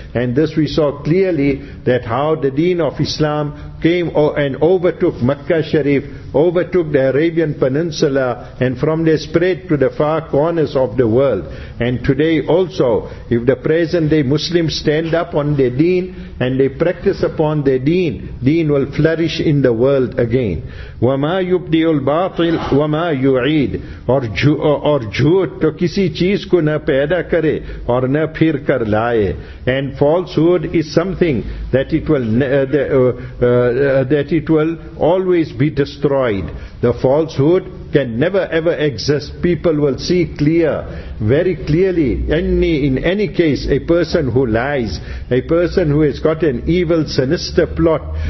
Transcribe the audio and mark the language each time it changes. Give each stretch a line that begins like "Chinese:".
English: And this we saw clearly, that how the deen of Islam came and overtook Makkah Sharif, overtook the Arabian Peninsula, and from there spread to the far corners of the world. And today also, if the present day Muslims stand up on their deen and they practice upon their deen will flourish in the world again.
Arabic: وَمَا يُبْدِيُ الْبَاطِلُ وَمَا يُعِيدُ.
Urdu: اور جھوٹ تو کسی چیز کو نہ پیدا کرے اور نہ پھر کر لائے.
English: And falsehood is something that it will always be destroyed. The falsehood can never ever exist. People will see very clearly, in any case, a person who lies, a person who has got an evil, sinister plot.